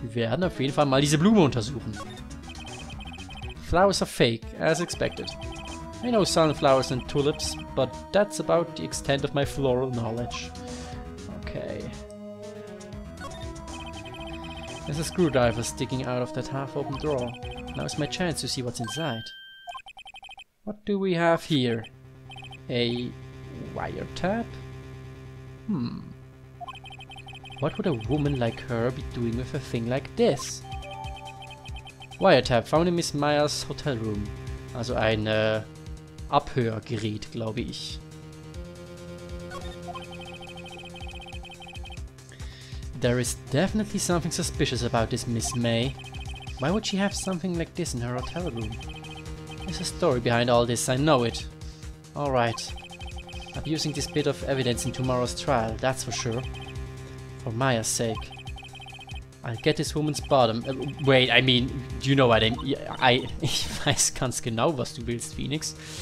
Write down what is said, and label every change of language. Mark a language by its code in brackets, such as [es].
[de] Wir werden auf jeden Fall mal diese Blume untersuchen. [en] Flowers are fake, as expected. I know sunflowers and tulips, but that's about the extent of my floral knowledge. Okay. There's a screwdriver sticking out of that half-open drawer. Now is my chance to see what's inside. What do we have here? A wiretap? What would a woman like her be doing with a thing like this? Wiretap found in Miss Meyers hotel room. [de] Also ein Abhörgerät, glaube ich. [en] There is definitely something suspicious about this Miss May. Why would she have something like this in her hotel room? There's a story behind all this, I know it. Alright. I'm using this bit of evidence in tomorrow's trial, that's for sure. For Maya's sake. I'll get this woman's bottom. Wait, I mean, do you know what I mean? [de] Ich weiß ganz genau, was du willst, Phoenix.